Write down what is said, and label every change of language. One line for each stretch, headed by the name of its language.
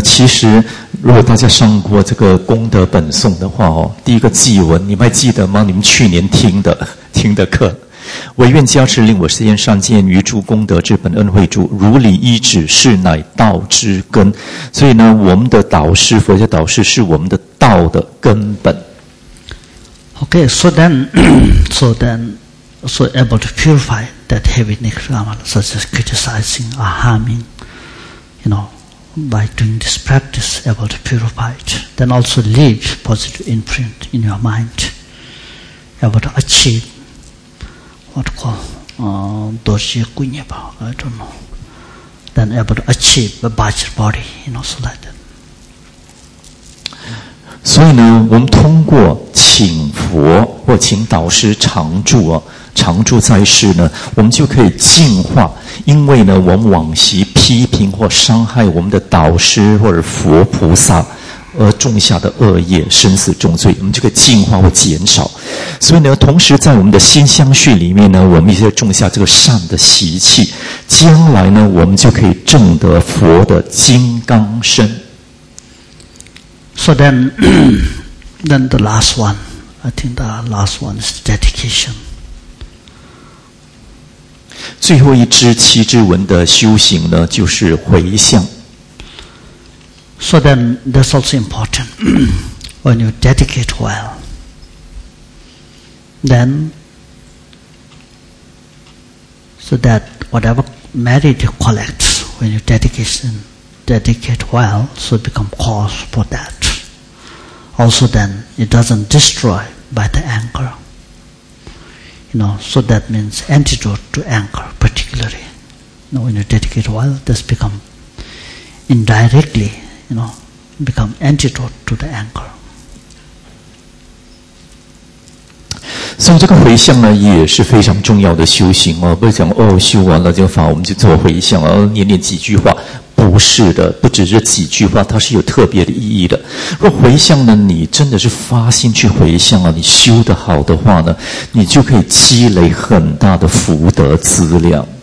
Chinese: 其实，如果大家上过这个功德本颂的话，第一个偈文，你们还记得吗？你们去年听的课。唯愿加持令我世间善见于诸功德之本恩惠主，如理依止是乃道之根。所以呢，我们的导师，佛教导师，是我们的道的根本。
English: Okay, so able to purify that heavy nikrama, such as criticizing or harming, you know, by doing this practice, able to purify it. Then also leave positive imprint in your mind, able to achieve what called Dorje Kunyeba, I don't know. Then able to achieve the Bajra body, you know, so like that.
Chinese: 所以呢，我们通过请佛或请导师常住啊，常住在世呢，我们就可以净化。因为呢，我们往昔批评或伤害我们的导师或者佛菩萨，而种下的恶业、生死重罪，我们就可以净化或减少。所以呢，同时在我们的心相续里面呢，我们一些种下这个善的习气，将来呢，我们就可以证得佛的金刚身。
English: So then, then the last one, I think the last one is dedication.
Chinese: 最后一支七支文的修行呢，就是回向。
English: So then, that's also important. When you dedicate well, then, so that whatever merit you collect, when you dedicate well, so become cause for that. Also then, it doesn't destroy by the anger. You know, so that means antidote to anger, particularly. You know, when you dedicate well, this become indirectly, you know, become antidote to the anger.
Chinese: So, 这个回向呢，也是非常重要的修行啊。不是讲哦，修完了这个法，我们就做回向啊，念念几句话。不是的，不只是几句话，它是有特别的意义的。若回向呢，你真的是发心去回向啊，你修得好的话呢，你就可以积累很大的福德资粮。